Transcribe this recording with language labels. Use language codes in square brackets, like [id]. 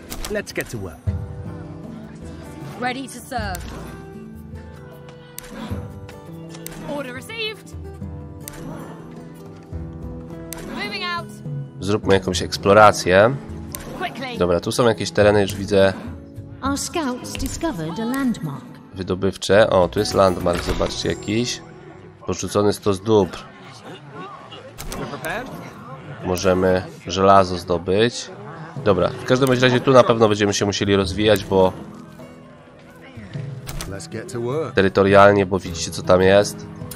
[en] Let's get to work. Ready to serve. Order received. Moving out. [pl] Zróbmy jakąś eksplorację. Dobra, tu są jakieś tereny, już widzę. [en] Our scouts discovered a landmark. [pl] Wydobywcze. O, tu jest landmark, zobaczcie, jakiś. Porzucony stos dóbr. Możemy żelazo zdobyć. Dobra, w każdym razie tu na pewno będziemy się musieli rozwijać, bo terytorialnie, bo widzicie, co tam jest.